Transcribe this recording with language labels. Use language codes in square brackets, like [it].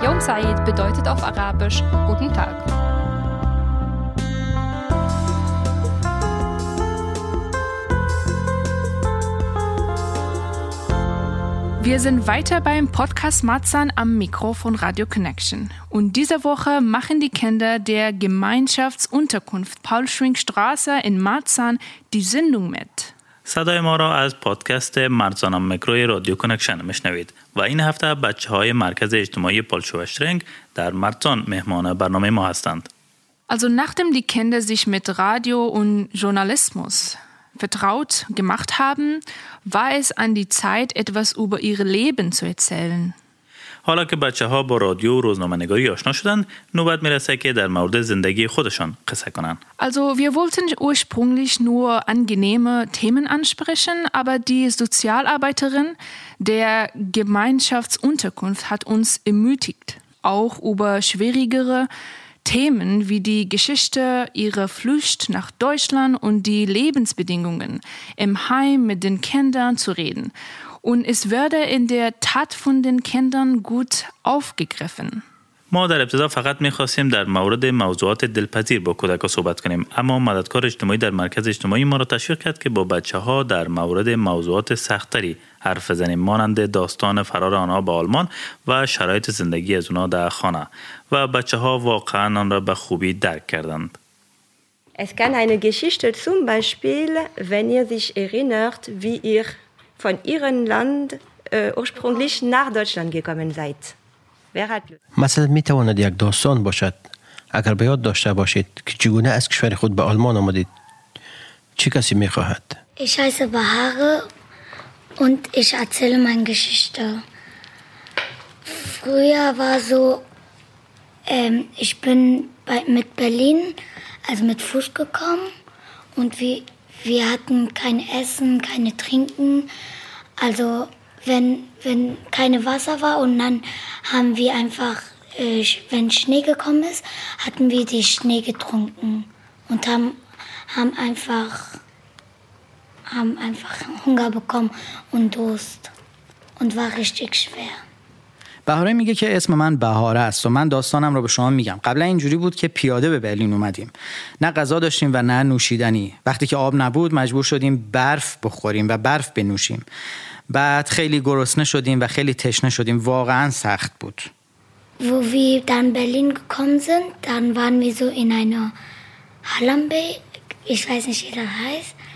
[de] Yom Sa'id bedeutet auf Arabisch guten Tag. Wir sind weiter beim Podcast Matzan am Mikro von Radio Connection. Und diese Woche machen die Kinder der Gemeinschaftsunterkunft Paul-Schwing-Straße in Matzan die Sendung mit. [fa] صدای ما را از پادکست مرزان هم میکروی رادیو کنکشن میشنوید و این هفته بچه های مرکز اجتماعی پالشوشترنگ در مرزان مهمان برنامه ما هستند. [de] Also nachdem die Kinder sich mit Radio und Journalismus vertraut gemacht haben, war es an die Zeit, etwas über ihr Leben zu erzählen. [fa] حالا که بچه ها با رادیو و روزنامه‌نگاری آشنا شدند، نوبت می‌رسد که در مورد زندگی خودشان قصه کنند. [de] Also wir wollten ursprünglich nur angenehme Themen ansprechen, aber die Sozialarbeiterin der Gemeinschaftsunterkunft hat uns ermutigt, auch über schwierigere Themen wie die Geschichte ihrer Flucht nach Deutschland und die Lebensbedingungen im Heim mit den Kindern zu reden. Und es werde in der Tat von den Kindern gut aufgegriffen. [fa] ما در ابتدا فقط می‌خواستیم در مورد موضوعات دلپذیر با کودک‌ها صحبت کنیم، اما مددکار اجتماعی در مرکز اجتماعی ما را تشویق کرد که با بچه‌ها در مورد موضوعات سخت‌تری حرف بزنیم، مانند داستان فرار آنها به آلمان و شرایط زندگی از آنها در خانه، و بچه‌ها واقعاً آن را به خوبی درک کردند. [de] Es kann eine Geschichte zum Beispiel, wenn ihr sich erinnert, wie ihr von ihrem Land ursprünglich nach Deutschland gekommen seid. [fa] مثلا می تواند یک داستان باشد اگر به یاد داشته باشید که چگونه از کشور خود به آلمان آمدید چه کسی می خواهد؟ [de] Ich heiße Bahar und ich erzähle meine Geschichte. Früher war so, ich bin mit Berlin, also mit Fuß gekommen und wir hatten kein Essen, keine Trinken, also Wenn kein Wasser war und dann haben wir einfach, wenn Schnee gekommen ist, hatten wir die Schnee getrunken und haben einfach Hunger bekommen und Durst und war richtig schwer. [fa] بهاره میگه که اسم من بهاره است و من داستانم رو به شما میگم. قبلا اینجوری بود که پیاده به برلین اومدیم. نه غذا داشتیم و نه نوشیدنی. وقتی که آب نبود مجبور شدیم برف بخوریم و برف بنوشیم. بعد خیلی گرسنه شدیم و خیلی تشنه شدیم. واقعا سخت بود. [de] Wo wir dann Berlin gekommen sind, dann waren wir so in einer Hallenbeck, ich weiß nicht, wie das heißt.